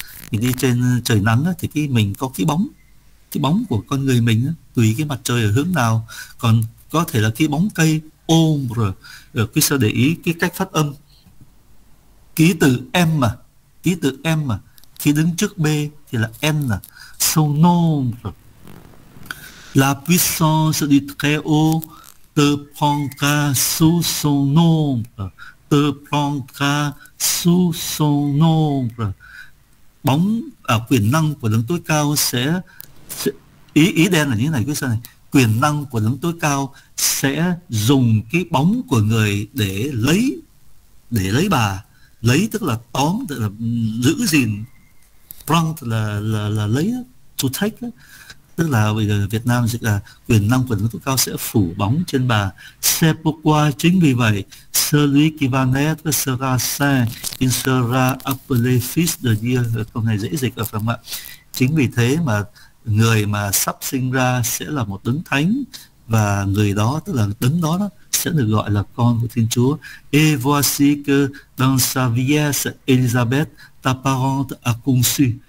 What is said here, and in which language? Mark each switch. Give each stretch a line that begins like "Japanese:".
Vietnamese: Mình đi trên trời nắng thì cái mình có cái bóng của con người mình, tùy cái mặt trời ở hướng nào, còn có thể là cái bóng cây ombre. Rồi cứ sao để ý cái cách phát âm, ký tự m mà khi đứng trước b thì là n là sonombre.
French: La puissance du Très-Haut te prendra sous son ombre, te prendra sous son ombre.
Vietnamese: Quyền năng của đấng tối cao sẽ ý ý đen là như thế này, cái này quyền năng của đấng tối cao sẽ dùng cái bóng của người để lấy bà, lấy tức là tóm, tức là giữ gìn, prendre là lấy,
English: to take,
Vietnamese: tức là bây giờ Việt Nam dịch là quyền năng quyền lực cao sẽ phủ bóng trên bà Sepokwa. Chính vì vậy
French: celui qui va naître sera saint, il sera appelé fils de Dieu.
Vietnamese: Câu này dễ dịch ở phần ạ. Chính vì thế mà người mà sắp sinh ra sẽ là một đấng thánh, và người đó, tức là đấng đó, đó sẽ được gọi là con của Thiên Chúa.
French: Et voici que dans sa vieillesse, Elisabeth, ta parente a conçu.